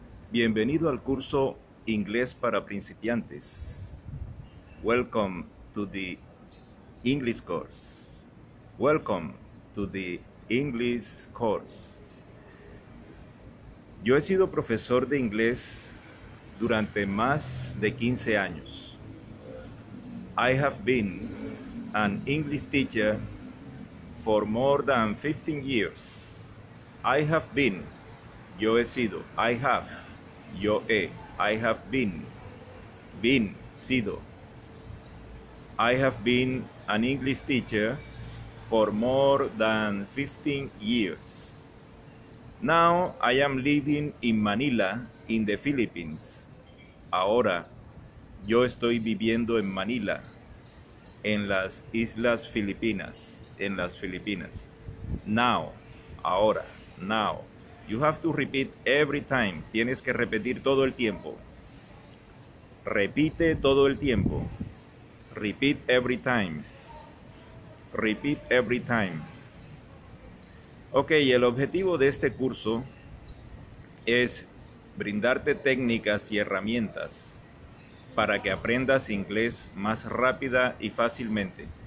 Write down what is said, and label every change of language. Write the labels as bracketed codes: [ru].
[es] Bienvenido al curso Inglés para principiantes. [en] Welcome to the English course. Welcome to the English course. [es] Yo he sido profesor de inglés durante más de 15 años. [en] I have been an English teacher for more than 15 years. I have been, [es] yo he sido, [en] I have, [es] yo he, [en] I have been, sido. I have been an English teacher for more than 15 years. Now I am living in Manila, in the Philippines. [es] Ahora yo estoy viviendo en Manila, en las Islas Filipinas, en las Filipinas. [en] Now, ahora. Now, you have to repeat every time. [es] Tienes que repetir todo el tiempo. Repite todo el tiempo. [en] Repeat every time. Repeat every time. [es] Ok, el objetivo de este curso es brindarte técnicas y herramientas para que aprendas inglés más rápida y fácilmente.